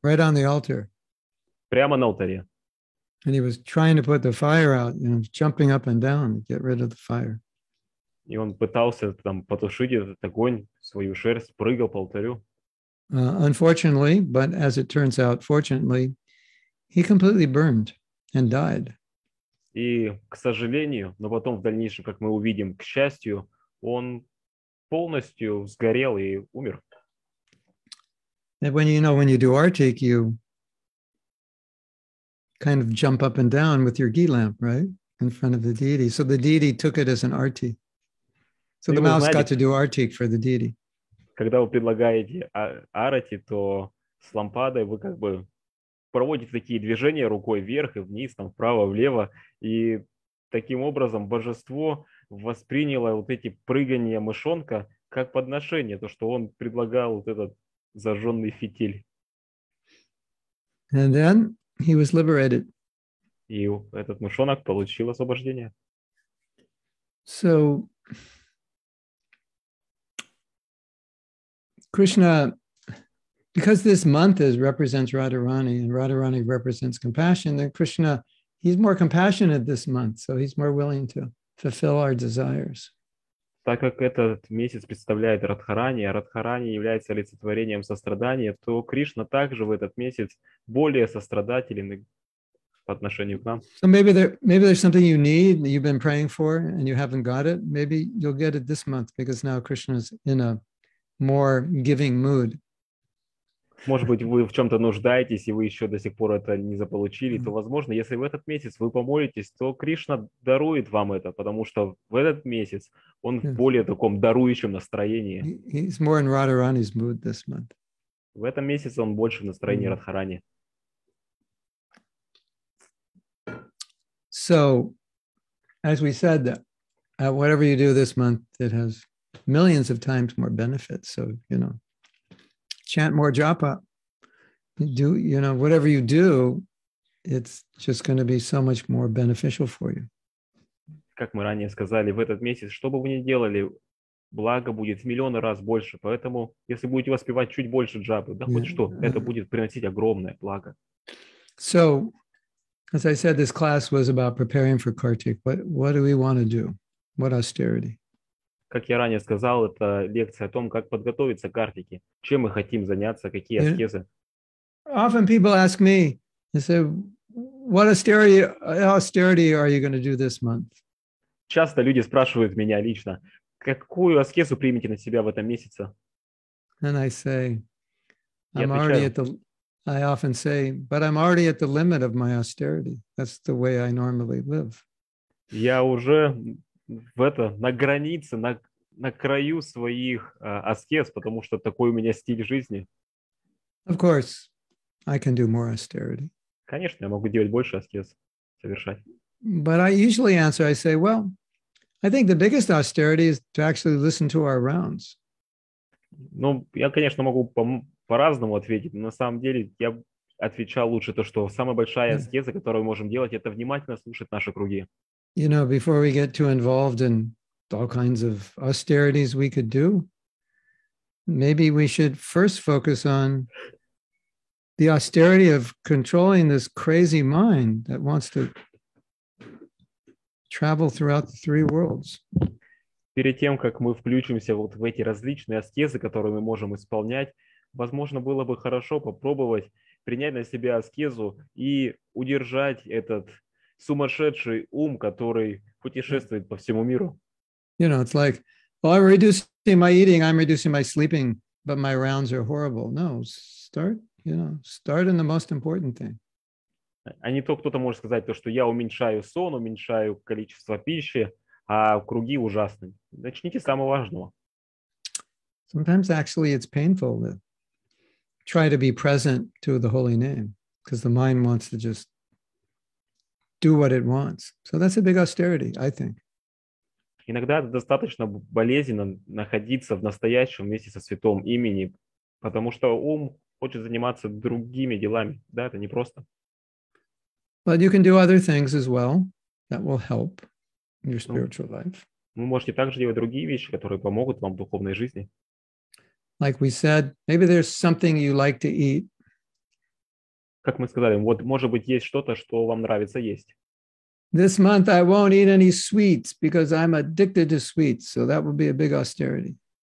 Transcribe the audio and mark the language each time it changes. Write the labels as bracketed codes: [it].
[en] Right on the altar. [ru] Прямо на алтаре. [en] And he was trying to put the fire out, you know, jumping up and down to get rid of the fire. [ru] И он пытался там потушить этот огонь, свою шерсть, прыгал по алтарю. [en] Unfortunately, but as it turns out, fortunately, he completely burned and died. [ru] И, к сожалению, но потом в дальнейшем, как мы увидим, к счастью, он полностью сгорел и умер. [en] And when you do Artik, you kind of jump up and down with your ghee lamp, right? In front of the deity. So the deity took it as an Arti. So the mouse got to do Artik for the deity. [ru] Когда вы предлагаете арати, то с лампадой вы как бы проводите такие движения рукой вверх и вниз, там вправо, влево. И таким образом божество восприняло вот эти прыгания мышонка как подношение, то, что он предлагал вот этот зажженный фитиль. [en] And then he was liberated. [ru] И этот мышонок получил освобождение. [en] So... Krishna, because this month represents Radharani and Radharani represents compassion, then Krishna, he's more compassionate this month, so he's more willing to fulfill our desires. [ru] Так как этот месяц представляет Радхарани, а Радхарани является олицетворением сострадания, то Кришна также в этот месяц более сострадателен и по отношению к нам. [en] So maybe there's something you need that you've been praying for and you haven't got it. Maybe you'll get it this month because now Krishna is in a more giving mood. [ru] Может быть, вы в чем-то нуждаетесь, и вы еще до сих пор это не заполучили, то, возможно, если в этот месяц вы помолитесь, то Кришна дарует вам это, потому что в этот месяц он в более таком дарующем настроении. [en] He's more in Radharani's mood this month. [ru] В этом месяце он больше в настроении Радхарани. [en] So, as we said, that whatever you do this month, it has millions of times more benefits, so, you know. Chant more japa. Do, you know, whatever you do, it's just going to be so much more beneficial for you. [ru] Как мы ранее сказали, в этот месяц, что бы вы ни делали, благо будет в миллионы раз больше. Поэтому, если будете воспевать чуть больше джапы, да хоть что, это будет приносить огромное благо. [en] So, as I said, this class was about preparing for Kartik. What do we want to do? What austerity? [ru] Как я ранее сказал, это лекция о том, как подготовиться к Картике, чем мы хотим заняться, какие аскезы. [en] Often people ask me, they say, what austerity are you going to do this month? [ru] Часто люди спрашивают меня лично, какую аскезу примете на себя в этом месяце? [en] And I say, I often say, but I'm already at the limit of my austerity. That's the way I normally live. [ru] Я уже в это, на границе, на краю своих аскез, потому что такой у меня стиль жизни. [en] Of course, I can do more austerity. [ru] Конечно, я могу делать больше аскез, совершать. [en] But I usually answer, I say, well, I think the biggest austerity is to actually listen to our rounds. [ru] Ну, я, конечно, могу по-разному ответить, но на самом деле я отвечал лучше то, что самая большая аскеза, которую мы можем делать, это внимательно слушать наши круги. [en] You know, before we get too involved in all kinds of austerities we could do, maybe we should first focus on the austerity of controlling this crazy mind that wants to travel throughout the three worlds. [ru] Перед тем, как мы включимся вот в эти различные аскезы, которые мы можем исполнять, возможно, было бы хорошо попробовать принять на себя аскезу и удержать этот сумасшедший ум, который путешествует по всему миру. [en] You know, it's like, well, I'm reducing my eating, I'm reducing my sleeping, but my rounds are horrible. No, start in the most important thing. [ru] А не то, кто-то может сказать то, что я уменьшаю сон, уменьшаю количество пищи, а круги ужасны. Начните с самого важного. [en] Sometimes actually it's painful to try to be present to the holy name, because the mind wants to just do what it wants. So that's a big austerity, I think. [ru] Иногда достаточно болезненно находиться в настоящем месте со святым именем, потому что ум хочет заниматься другими делами. Да, это не просто. [en] But you can do other things as well that will help your spiritual life. [ru] Вы можете также делать другие вещи, которые помогут вам в духовной жизни. [en] Like we said, maybe there's something you like to eat. [ru] Как мы сказали, вот, может быть, есть что-то, что вам нравится есть. [en] This month I won't eat any sweets because I'm addicted to sweets, so that would be a big austerity.